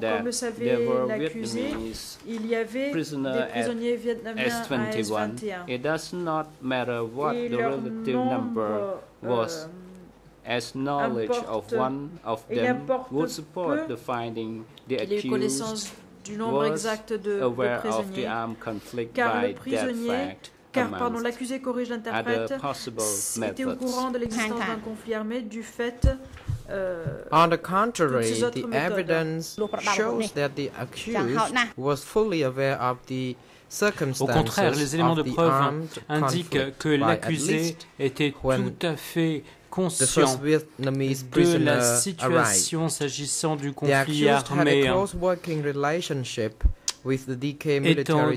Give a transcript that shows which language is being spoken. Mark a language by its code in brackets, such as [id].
[fr] Comme le savait l'accusé, il y avait des prisonniers vietnamiens à S21. [en] It does not matter what the relative number was as knowledge of one of them would support the finding the accused was aware of the armed conflict by that fact. [fr] Car, pardon, l'accusé, corrige l'interprète, était au courant de l'existence d'un conflit armé du fait [en] On the contrary, the evidence shows that the accused was fully aware of the circumstances. [fr] Au contraire, les éléments de preuve indiquent que l'accusé était tout à fait conscient de la situation s'agissant du conflit armé. [en] The accused had a close working relationship with the DK military